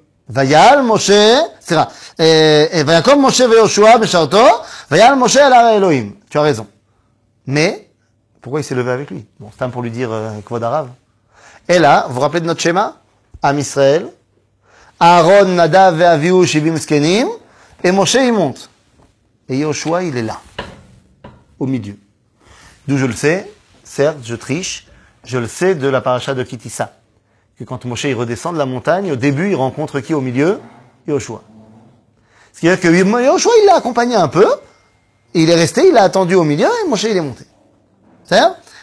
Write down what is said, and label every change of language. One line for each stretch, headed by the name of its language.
Hebrew: ויעל משה, סליחה, ויקום משה ויהושע בשרתו, ויעל משה אל הר האלוהים.
French: Tu as raison. Mais, pourquoi il s'est levé avec lui? Bon, c'est un pour lui dire,
Hebrew: כבוד הרב.
French: Et là, vous rappelez de notre schéma?
Hebrew: עם ישראל, אהרון, נדב ואביהו, 70 זקנים,
French: et משה il monte. Et יהושע il est là, au milieu. D'où je le sais, certes, je triche, je le sais de la paracha de Kitissa. Que quand Moshe redescend de la montagne, au début, il rencontre qui au milieu? Yoshua. Ce qui veut dire que Yoshua, il l'a accompagné un peu, il est resté, il l'a attendu au milieu, et Moshe, il est monté. C'est ça?